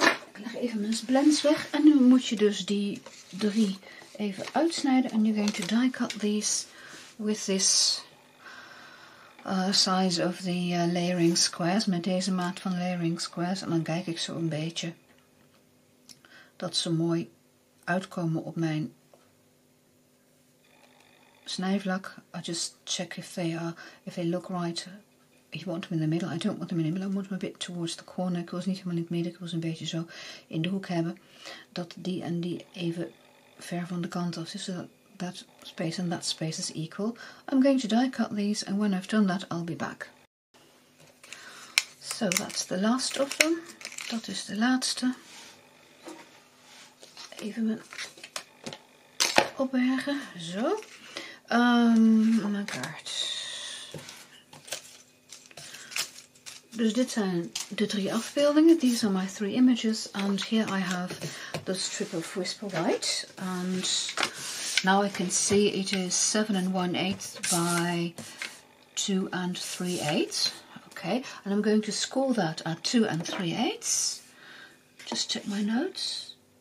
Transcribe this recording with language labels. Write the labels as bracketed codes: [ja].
[nl] Ik leg even mijn blends weg. En nu moet je dus die drie even uitsnijden. [en] And you're going to die cut these with this size of the layering squares. [nl] Met deze maat van layering squares. En dan kijk ik zo een beetje dat ze mooi uitkomen op mijn snijvlak. [en] I just check if they look right. You want them in the middle. I don't want them in the middle. I want them a bit towards the corner. [nl] Ik wil ze niet helemaal in het midden. Ik wil ze een beetje zo in de hoek hebben. Dat die en die even ver van de kant af is. [en] So that space and that space is equal. I'm going to die cut these. And when I've done that, I'll be back. So that's the last of them. [nl] Dat is de laatste. Even mijn opbergen. Zo. [en] Oh my god. [nl] Dus dit zijn de drie afbeeldingen. [en] These are my three images. And here I have the strip of whisper white. And now I can see it is 7 1/8 by 2 3/8. Okay. And I'm going to score that at 2 3/8. Just check my notes.